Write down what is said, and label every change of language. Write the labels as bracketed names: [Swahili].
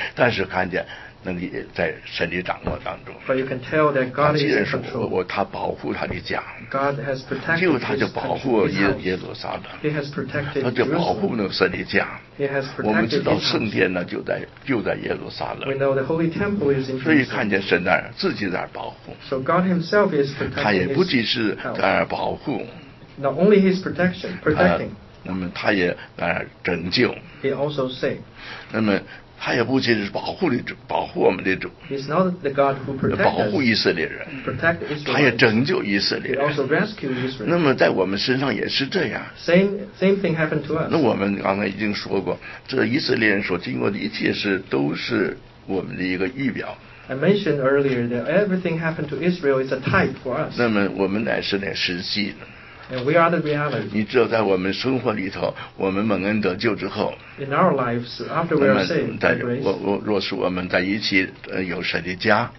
[Chinese] 但是看见那个在神的掌握当中。 [English] But you can tell that God is in control. [Chinese] 他保护他的家。 [English] God has protected. [Chinese] 就他就保护耶路撒冷。 [English] He has protected. [Chinese] 他就保护那个神的家。 [English] He has protected his house. [Chinese] 我们知道圣殿呢就在耶路撒冷。 [English] We know the holy temple is in Jerusalem. [Chinese] 所以看见神那儿自己在保护。 [English] So God himself is protecting his house. [Chinese] 他也不仅是在那儿保护。 [English] Not only his protecting. [Chinese] 那么他也在那儿拯救。 [English] He also saved. [Chinese] 那么他也不仅是保护的主，保护我们的主。 [English] He's not the God who protects. [Chinese] 保护以色列人。 [English] Protect Israel. [Chinese] 他也拯救以色列人。 [English] He also rescued Israel. [Chinese] 那么在我们身上也是这样。 [English] Same thing happened to us. [Chinese] 那我们刚才已经说过，这以色列人所经过的一切事都是我们的一个预表。 [English] I mentioned earlier that everything happened to Israel is a type for us. [Chinese] 那么我们乃是那实际。 [English] And we are the reality. [Chinese] 你知道，在我们生活里头，我们蒙恩得救之后 [English] ，In our lives after we are saved, by grace. [Chinese] 若是我们在一起，有神的家